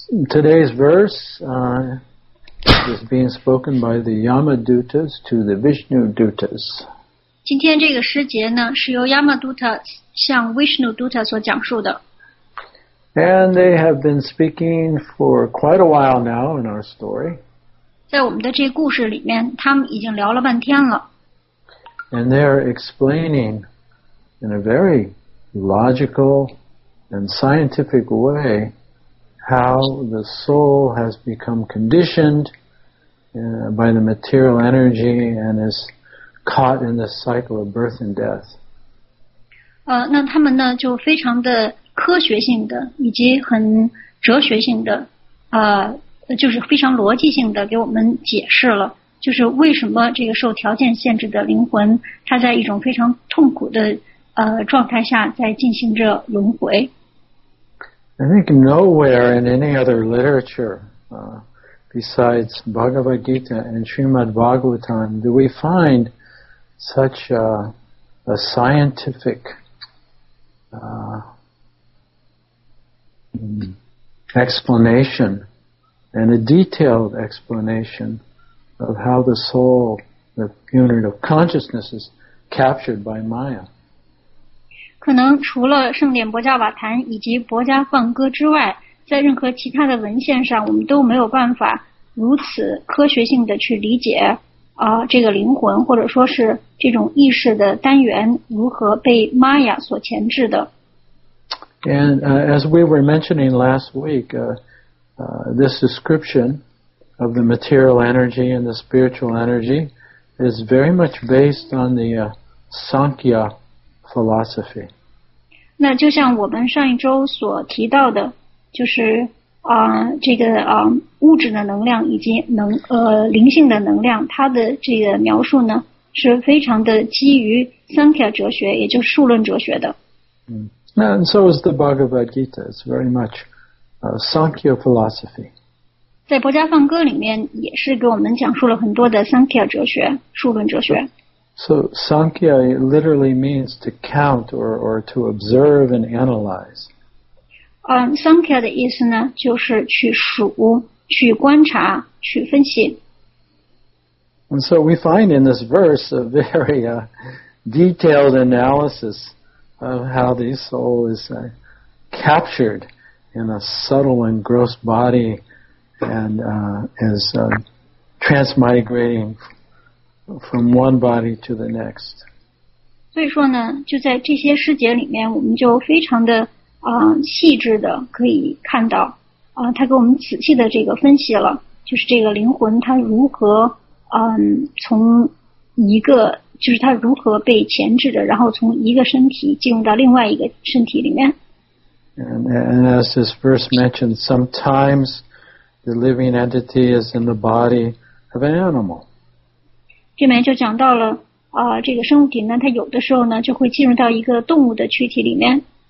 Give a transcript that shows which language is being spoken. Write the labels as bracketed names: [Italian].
[English] Today's verse is being spoken by the Yama Dutas to the Vishnu Dutas. [Chinese] 今天这个诗节呢，是由 Yama Duta 向 Vishnu Duta 所讲述的。 [English] And they have been speaking for quite a while now in our story. [Chinese] 在我们的这故事里面，他们已经聊了半天了。 [English] And they are explaining in a very logical and scientific way how the soul has become conditioned by the material energy and is caught in the cycle of birth and death. [Chinese] 那他们呢就非常的科学性的以及很哲学性的就是非常逻辑性的给我们解释了。就是为什么这个受条件限制的灵魂它在一种非常痛苦的状态下在进行着轮回。 [English] I think nowhere in any other literature, besides Bhagavad Gita and Srimad Bhagavatam, do we find such a scientific, explanation and a detailed explanation of how the soul, the unit of consciousness, is captured by Maya. [Chinese] 可能除了圣典薄伽瓦坛以及薄伽梵歌之外，在任何其他的文献上，我们都没有办法如此科学性的去理解这个灵魂，或者说是这种意识的单元如何被 Maya 所钳制的。 [English] And as we were mentioning last week, this description of the material energy and the spiritual energy is very much based on the Sankhya philosophy. [Chinese] 那就像我们上一周所提到的，就是这个物质的能量以及灵性的能量，它的这个描述呢是非常的基于 Sankhya 哲学，也就是数论哲学的。 [English] And so is the Bhagavad Gita. It's very much Sankhya philosophy. [Chinese] 在薄伽梵歌里面也是给我们讲述了很多的 Sankhya 哲学数论哲学 [English] So Sankhya literally means to count or to observe and analyze [Chinese] Sankhya 的意思呢就是去数去观察去分析 [English] And so we find in this verse a very detailed analysis of how the soul is captured in a subtle and gross bodyand is transmigrating from one body to the next. [Chinese] 所以说呢就在这些诗节里面我们就非常的细致的可以看到他给我们仔细的这个分析了就是这个灵魂它如何从一个就是它如何被钳制的然后从一个身体进入到另外一个身体里面。 [English] And as this verse mentioned, sometimes,the living entity is in the body of an animal. [Chinese] 这边就讲到了这个生物体呢它有的时候呢就会进入到一个动物的躯体里面。